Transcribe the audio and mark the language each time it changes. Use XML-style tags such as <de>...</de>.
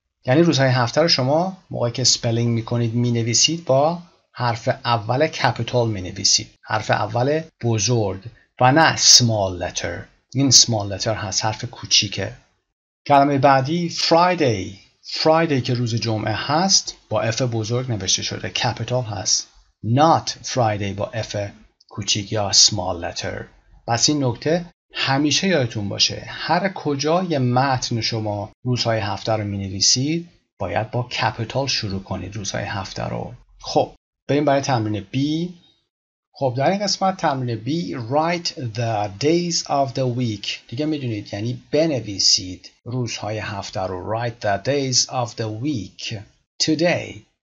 <fa>یعنی روزهای هفته رو شما موقعی که spelling میکنید مینویسید با حرف اول capital مینویسید. حرف اول بزرگ و نه small letter. این small letter هست، حرف کوچیکه. کلمه بعدی Friday. Friday که روز جمعه هست با F بزرگ نوشته شده. Capital هست. Not Friday با F کوچیک یا small letter. پس این نکته همیشه یادتون باشه. هر کجای متن شما روزهای هفته رو می نویسید باید با کپیتال شروع کنید روزهای هفته رو. خب بریم برای تمرین B. خب در این قسمت تمرین B</fa> <en>write the days of the week</en> <fa>دیگه میدونید یعنی بنویسید روزهای هفته رو write the days of the week today</fa>